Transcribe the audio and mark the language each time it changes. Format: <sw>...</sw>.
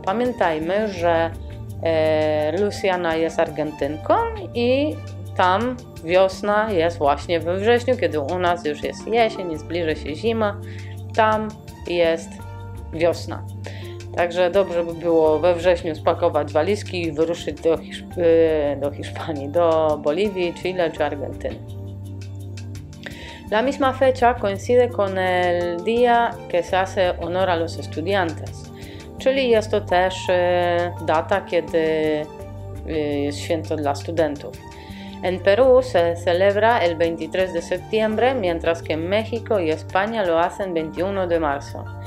<pl>Pamiętajmy, że Luciana jest Argentynką i tam wiosna jest właśnie we wrześniu, kiedy u nas już jest jesień, zbliża się zima, tam jest wiosna. Także dobrze by było we wrześniu spakować walizki i wyruszyć do Hiszpanii, do Boliwii, Chile czy Argentyny.</pl> <es>La misma fecha coincide con el día que se hace honor a los estudiantes.</es> <pl>Czyli jest to też data, kiedy jest święto dla studentów.</pl> <es>En Perú se celebra el 23 de septiembre, mientras que en México y España lo hacen 21 de marzo.</es>